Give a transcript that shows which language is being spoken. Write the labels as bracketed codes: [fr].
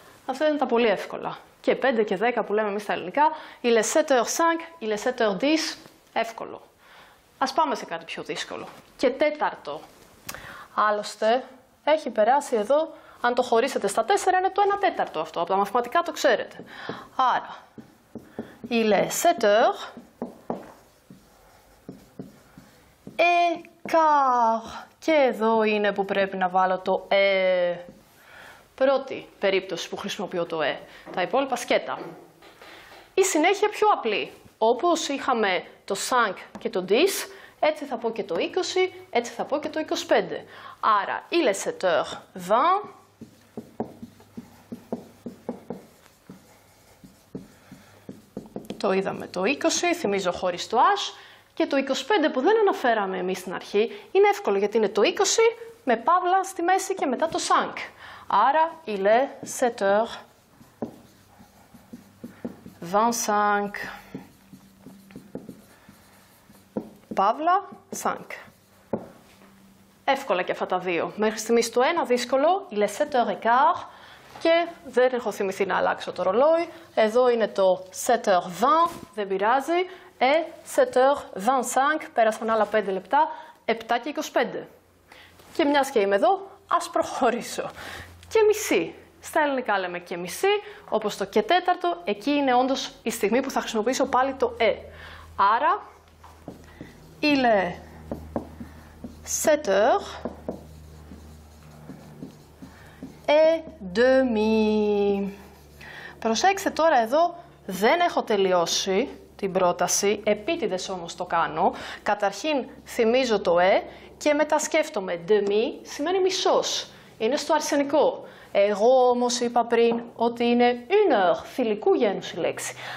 [el] Αυτά είναι τα πολύ εύκολα. Και 5 και 10 που λέμε εμείς στα ελληνικά. [fr] Il est 7 heures 5, il est 7 heures 10. [el] Εύκολο. Ας πάμε σε κάτι πιο δύσκολο. Και τέταρτο. Άλλωστε, έχει περάσει εδώ, αν το χωρίσετε στα 4, είναι το 1 τέταρτο αυτό. Από τα μαθηματικά το ξέρετε. [fr] Άρα, il est 7 heures et car. [el] Και εδώ είναι που πρέπει να βάλω το e. Πρώτη περίπτωση που χρησιμοποιώ το «ε», τα υπόλοιπα σκέτα. Η συνέχεια πιο απλή. Όπως είχαμε το «sank» και το «dis», έτσι θα πω και το 20, έτσι θα πω και το 25. Άρα, [fr] «il est 7 heures 20 [el] το είδαμε το 20, θυμίζω χωρίς το «ash», και το 25 που δεν αναφέραμε εμείς στην αρχή, είναι εύκολο γιατί είναι το 20 με παύλα στη μέση και μετά το «sank». [fr] Άρα, il est 7 heures 25, παύλα, 5. [el] Εύκολα και αυτά τα δύο. Μέχρι στιγμής το ένα δύσκολο, [fr] il est 7 heures 15, [el] και δεν έχω θυμηθεί να αλλάξω το ρολόι. Εδώ είναι το 7 heures 20, δεν πειράζει, [fr] et 7 heures 25, [el] πέρασαν άλλα 5 λεπτά, 7 και 25. Και μιας και είμαι εδώ, ας προχωρήσω. Και μισή. Στα ελληνικά λέμε και μισή, όπως το και τέταρτο, εκεί είναι όντως η στιγμή που θα χρησιμοποιήσω πάλι το «ε». [fr] Άρα, «il est 7 heures et demi». [el] Προσέξτε τώρα εδώ, δεν έχω τελειώσει την πρόταση, επίτηδες όμως το κάνω. Καταρχήν θυμίζω το «ε» και μετά σκέφτομαι «demi» σημαίνει μισός. Είναι στο αρσενικό. Εγώ όμως είπα πριν ότι είναι une heure, θηλυκού γένους η λέξη.